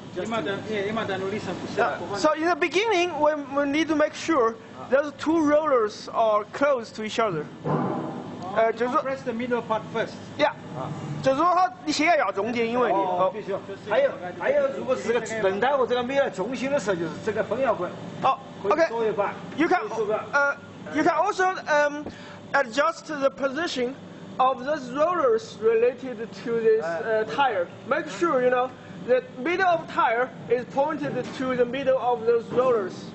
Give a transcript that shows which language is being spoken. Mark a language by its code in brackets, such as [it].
[en] So in the beginning, we need to make sure those two rollers are close to each other. Press the middle part first. Yeah. [zh] 就是说它先要咬中间，因为哦，必须要。还有，如果是这个轮胎，我这个没有中心的时候，就是这个缝要关。哦，OK。 [en] You can adjust the position of those rollers related to this tire. Make sure you know the middle of tire is pointed to the middle of those rollers.